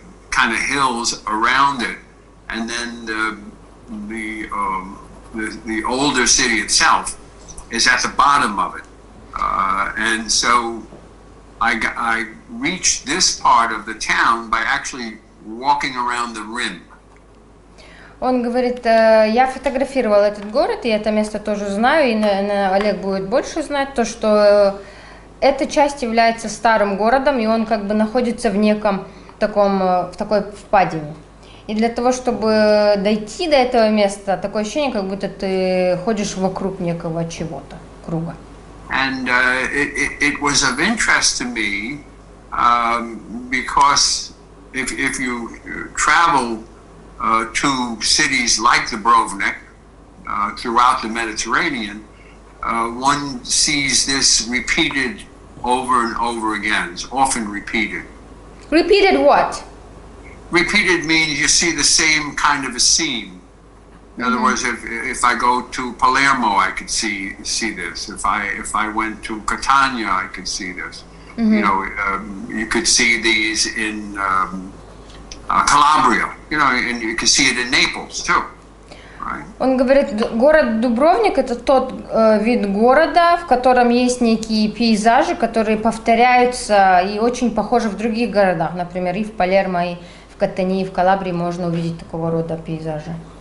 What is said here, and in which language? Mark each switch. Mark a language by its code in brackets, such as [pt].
[en] kind of hills around it, and then the older city itself is at the bottom of it, and so I reached this part of the town by actually walking around the rim. [ru] Он говорит, я фотографировал этот город, и это место тоже знаю, и на Олег будет больше знать, то, что эта часть является старым городом, и он как бы находится в неком таком, в такой впадине. И для того, чтобы дойти до этого места, такое ощущение, как будто ты ходишь вокруг некого чего-то, круга. [en] And it was of interest to me, because if you travel to cities like Dubrovnik throughout the Mediterranean, one sees this repeated over and over again. It's often repeated. Repeated what? Repeated means you see the same kind of a scene. In mm-hmm. other words, if I go to Palermo, I could see this. If I went to Catania, I could see this. Mm-hmm. You know, you could see these in Calabria, and you can see it in Naples too, right? [ru] Он говорит, город Дубровник – это тот вид города, в котором есть некие пейзажи, которые повторяются и очень похожи в других городах, например, и в Палермо, и в Катани, и в Калабрии можно увидеть такого рода пейзажи.